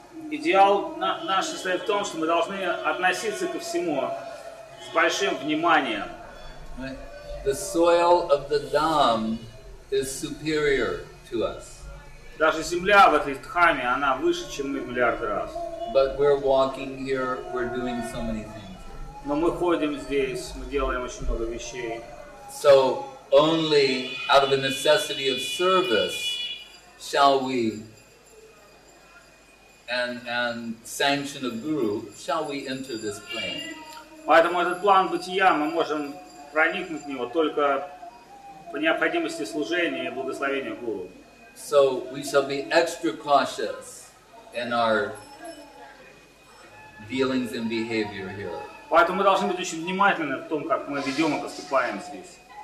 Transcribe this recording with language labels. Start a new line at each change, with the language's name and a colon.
Russian: Идеал наш состоит в том, что мы должны относиться ко всему с большим вниманием.
English: The soil of the Dham is superior to us.
Russian: Даже земля в этой Дхаме, она выше, чем мы в миллиард раз.
English: But we're walking here, we're doing so many things.
Russian: Но мы ходим здесь, мы делаем очень много вещей.
English: So only out of the necessity of service shall we and sanction of Guru, shall we enter this plane.
Russian: Поэтому этот план бытия, мы можем проникнуть в него только по необходимости служения и благословения Гуру.
English: So we shall be extra cautious in our dealings and behavior here.
Russian: Поэтому мы должны быть очень внимательны в том, как мы ведем и поступаем здесь.